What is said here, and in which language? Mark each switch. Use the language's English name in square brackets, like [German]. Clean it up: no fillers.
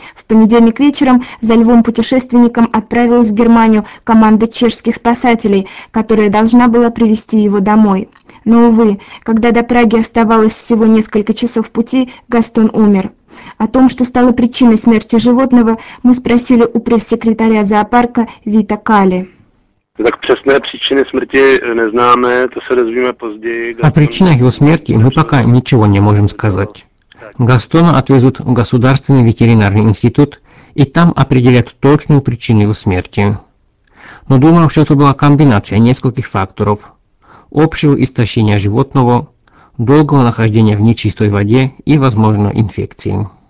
[Russian] В понедельник вечером за львом-путешественником отправилась в Германию команда чешских спасателей, которая должна была привести его домой. Но, увы, когда до Праги оставалось всего несколько часов пути, Гастон умер. О том, что стало причиной смерти животного, мы спросили у пресс-секретаря зоопарка Вита Кали. [Czech] Так přesné příčiny smrti neznáme, to se dozvíme později. [Russian] О причинах его смерти мы пока ничего не можем сказать. Гастона отвезут в Государственный ветеринарный институт, и там определят точную причину его смерти. Но думаю, что это была комбинация нескольких факторов. Общего истощения животного, долгого нахождения в нечистой воде и, возможно, инфекции.